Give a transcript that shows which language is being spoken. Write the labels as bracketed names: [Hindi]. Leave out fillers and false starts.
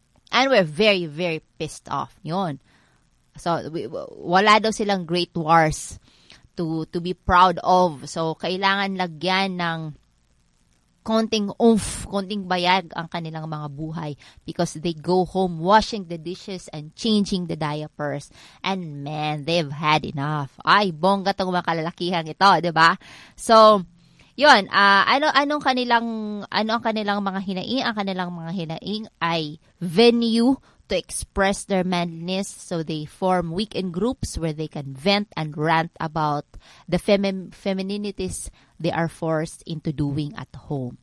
[English] And we're very, very pissed off. Yon. So, [Filipino] wala daw silang [English] great wars to be proud of. So, [Filipino] kailangan lagyan ng konting oomph, konting bayag ang kanilang mga buhay [English] because they go home washing the dishes and changing the diapers. And man, they've had enough. [Filipino] Ay, bongga tong mga kalalakihan ito, di ba? [English] So, [Filipino] yun, ang kanilang mga hinaing ay [English] venue to express their manliness, so they form weekend groups where they can vent and rant about the femininities they are forced into doing at home.